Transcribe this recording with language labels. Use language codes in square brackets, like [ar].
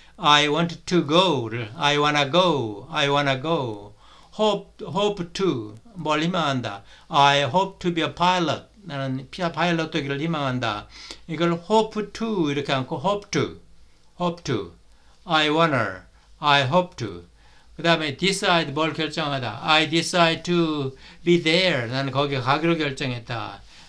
[en] I want to go를 I wanna go, I wanna go. [ko] Hope to 뭘 희망한다. [en] I hope to be a pilot. [ko] 나는 파일럿 되기를 희망한다. 이걸 [en] hope to [ko] 이렇게 하고 [en] hope to, I wanna, I hope to. [ko] 그 다음에 decide 뭘 결정하다. [en] I decide to be there. [ko] 나는 거기 가기로 결정했다.